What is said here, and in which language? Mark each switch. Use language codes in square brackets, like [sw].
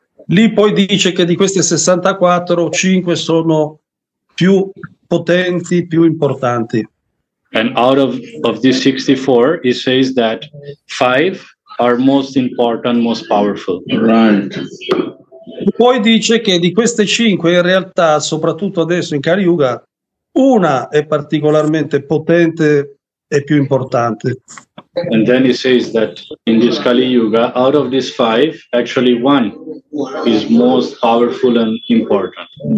[it] Lì poi dice che di queste 64, 5 sono più potenti, più importanti. [en] And out of these 64, he says that five are most important, most powerful. Right. [it] Poi dice che di queste 5, in realtà, soprattutto adesso in Kali Yuga, una è particolarmente potente e più importante. [en] And then he says that in this Kali Yuga, out of these five, actually one is most powerful and important.